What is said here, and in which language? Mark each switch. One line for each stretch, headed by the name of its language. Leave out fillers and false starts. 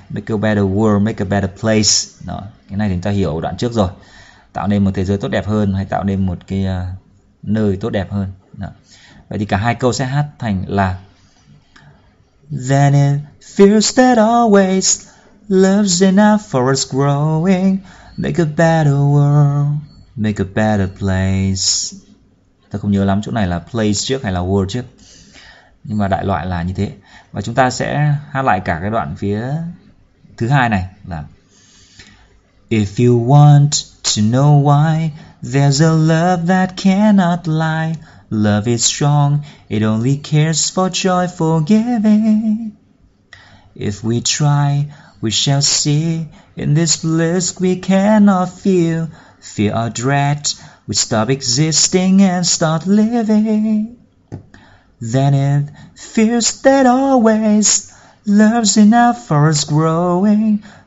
English: Make a better world, make a better place.
Vietnamese: Đó, cái này thì người ta hiểu đoạn trước rồi. Tạo nên một thế giới tốt đẹp hơn, hay tạo nên một cái nơi tốt đẹp hơn. Đó. Vậy thì cả hai câu sẽ hát thành là
English: then it feels that always love's enough for us growing. Make a better world, make a better place.
Vietnamese: Ta không nhớ lắm chỗ này là place trước hay là world trước, nhưng mà đại loại là như thế. Và chúng ta sẽ hát lại cả cái đoạn phía thứ hai này là
English: if you want to know why there's a love that cannot lie, love is strong, it only cares for joy forgiving. If we try, we shall see. In this bliss we cannot feel. Fear or dread, we stop existing and start living. Then it feels that always love's enough for us growing.